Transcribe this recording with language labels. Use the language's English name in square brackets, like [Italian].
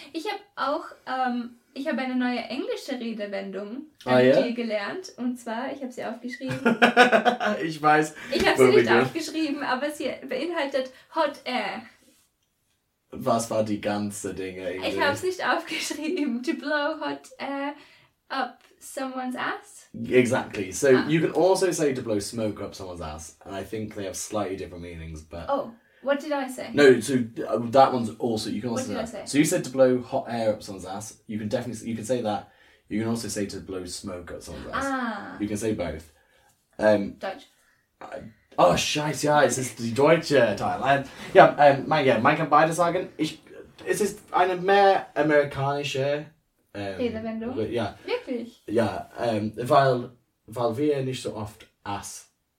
[German] Ich habe auch ich habe eine neue englische Redewendung dir gelernt. Und zwar, ich habe sie aufgeschrieben. Ich weiß. Ich habe sie nicht aufgeschrieben, aber sie beinhaltet Hot Air. Was war die ganze Dinge? Irgendwie? Ich habe es nicht aufgeschrieben. [English] To blow hot air up someone's ass. Exactly. So you can also say to blow smoke up someone's ass. And I think they have slightly different meanings. But oh, what did I say? No, so that one's also... You can also what did say I say? So you said to blow hot air up someone's ass. You can definitely... You can say that. You can also say to blow smoke up someone's ass. Ah. You can say both. [German] Deutsch. Oh, scheiße, ja. Es ist die deutsche Teil. Man kann beide sagen. Es ist eine mehr amerikanische... Redewendung? Ja. Wirklich? Ja, weil wir nicht so oft ass.